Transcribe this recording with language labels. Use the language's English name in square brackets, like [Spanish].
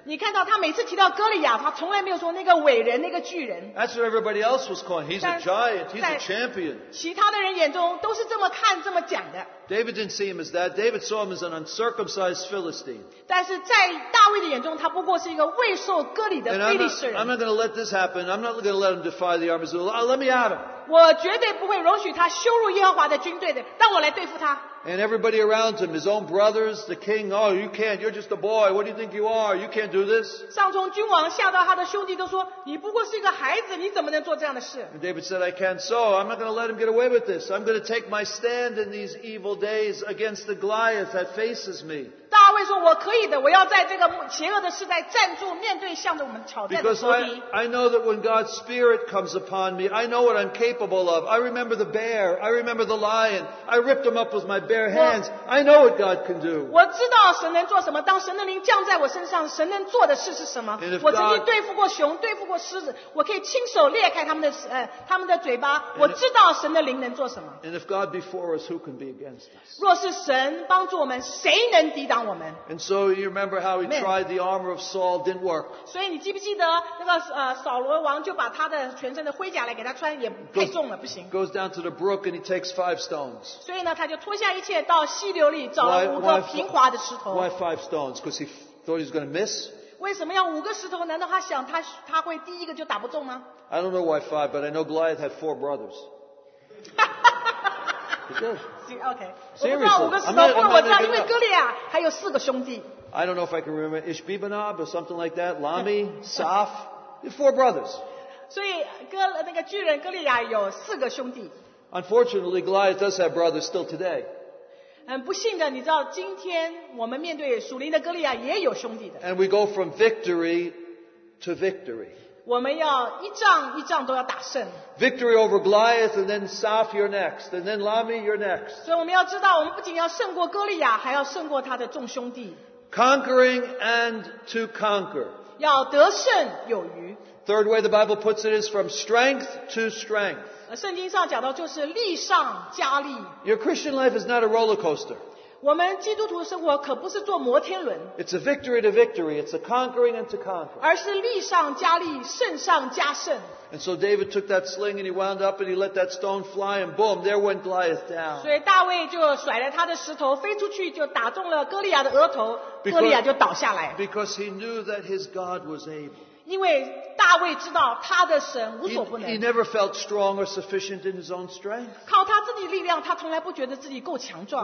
[Chinese] 你看到他每次提到哥利亚，他从来没有说那个伟人、那个巨人。 [English] That's what everybody else was calling. He's a giant. He's a champion. [Chinese] 其他的人眼中都是这么看、这么讲的。 [English] David didn't see him as that. David saw him as an uncircumcised Philistine. [Chinese] 但是在大卫的眼中，他不过是一个未受割礼的非利士人。 [English] I'm not going to let this happen. I'm not going to let him defy the armies of the Lord. Let me at him. [Chinese] 我绝对不会容许他羞辱耶和华的军队的。让我来对付他。 [English] And everybody around him, his own brothers, the king, oh, you can't, you're just a boy, what do you think you are? You can't do this. [Chinese] 上从君王下到他的兄弟都说，你不过是一个孩子，你怎么能做这样的事？ [English] And David said, I can't so. I'm not going to let him get away with this. I'm going to take my stand in these evil days against the Goliath that faces me. [Chinese] 大卫说，我可以的，我要在这个邪恶的时代站住，面对向着我们挑战的仇敌。 [English] Because I know that when God's spirit comes upon me, I know what I'm capable of. I remember the bear, I remember the lion, I ripped him up with my bare hands. I know what God can do. [Chinese] 我知道神能做什么。当神的灵降在我身上，神能做的事是什么？我曾经对付过熊，对付过狮子，我可以亲手裂开他们的嘴巴。我知道神的灵能做什么。 [English] And if God before us, who can be against us? [Chinese] 若是神帮助我们，谁能抵挡我们？ [English] And so you remember how he tried the armor of Saul, didn't work. [Chinese] 所以你记不记得那个扫罗王就把他的全身的盔甲来给他穿，也太重了，不行。 [English] Goes down to the brook and he takes 5 stones. [Chinese] 所以呢，他就脱下一切到溪流里找了五个平滑的石头。 [English] Why five stones? Because he thought he was going to miss. [Chinese] 为什么要五个石头？难道他想他会第一个就打不中吗 [English] ？I don't know why five, but I know Goliath had 4 brothers. He did. Okay. [Chinese] 我不知道五个石头，不然我知道，因为哥利亚还有四个兄弟。 [English] I don't know if I can remember Ishbibenob or something like that. Lami, Saf, four brothers. [Chinese] 所以那个巨人哥利亚有四个兄弟。 [English] Unfortunately, Goliath does have brothers still today. [Chinese] 不幸的，你知道，今天我们面对属灵的哥利亚也有兄弟的。 [English] And we go from victory to victory. [Chinese] 我们要一仗一仗都要打胜。 [English] Victory over Goliath, and then Saph, you're next, and then Lami, you're next. [Chinese] 所以我们要知道，我们不仅要胜过哥利亚，还要胜过他的众兄弟。 [English] Conquering and to conquer. [Chinese] 要得胜有余。 [English] Third way the Bible puts it is from strength to strength. [Chinese] 圣经上讲到就是力上加力。 [English] Your Christian life is not a roller coaster. [Chinese] 我们基督徒生活可不是坐摩天轮。 [English] It's a victory to victory. It's a conquering and to conquer. [Chinese] 而是力上加力，胜上加胜。 [English] And so David took that sling and he wound up and he let that stone fly and boom, there went Goliath down. [Chinese] 所以大卫就甩了他的石头飞出去，就打中了哥利亚的额头，哥利亚就倒下来。 [English] Because he knew that his God was able. [Chinese] 因为大卫知道他的神无所不能。 [English] He never felt strong or sufficient in his own strength. [Chinese] 靠他自己力量，他从来不觉得自己够强壮。